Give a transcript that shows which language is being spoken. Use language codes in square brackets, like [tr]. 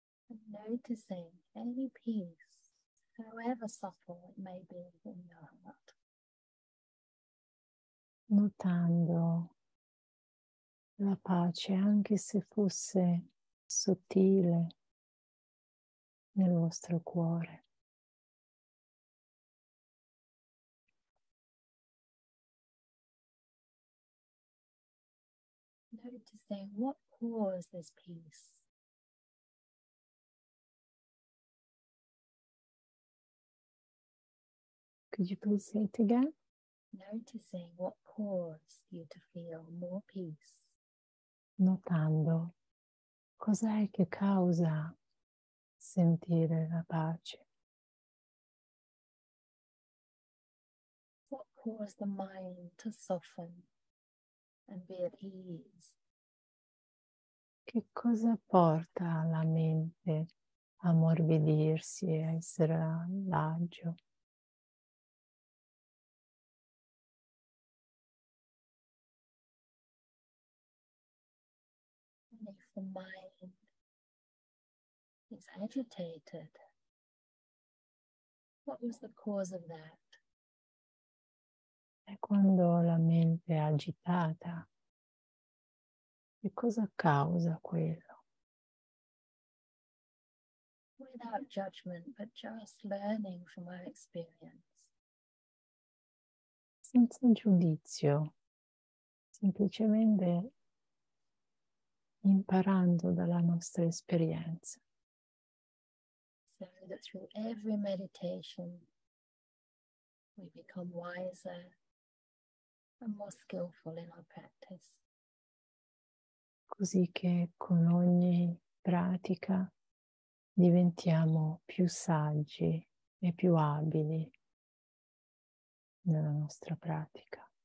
[en] And noticing any peace, however subtle it may be in your heart. [it] Notando la pace, anche se fosse sottile, nel vostro cuore. [en] Noticing what caused this peace. Could you please say it again? Noticing what caused you to feel more peace. [it] Notando cos'è che causa sentire la pace. [en] What caused the mind to soften and be at ease? [it] Che cosa porta la mente a morbidirsi e a essere all'agio? [en] The mind is agitated. What was the cause of that? [it] E quando la mente è agitata, che cosa causa quello? [en] Without judgment, but just learning from our experience. [it] Senza giudizio, semplicemente imparando dalla nostra esperienza. [en] So that through every meditation we become wiser and more skillful in our practice. [it] Così che con ogni pratica diventiamo più saggi e più abili nella nostra pratica.